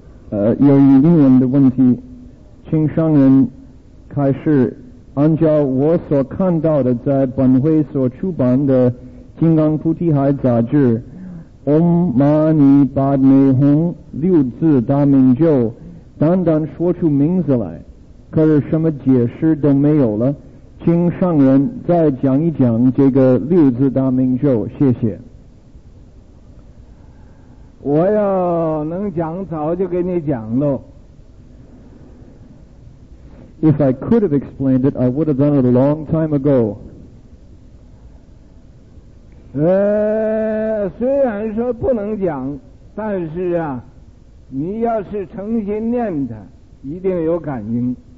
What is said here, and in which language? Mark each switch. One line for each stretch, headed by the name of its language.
Chinese: 由于英文的问题，青商人开始按照我所看到的在本会所出版的《金刚菩提海》杂志Om Mani Padme Hum 六字大明咒单单说出名字来，可是什么解释都没有了，请上人再讲一讲这个六字大明咒，谢谢。我要能讲早就给你讲了。
English: If I could have explained it, I would have done it a long time ago.
Chinese: 虽然说不能讲，但是啊，你要是诚心念它，一定有感应。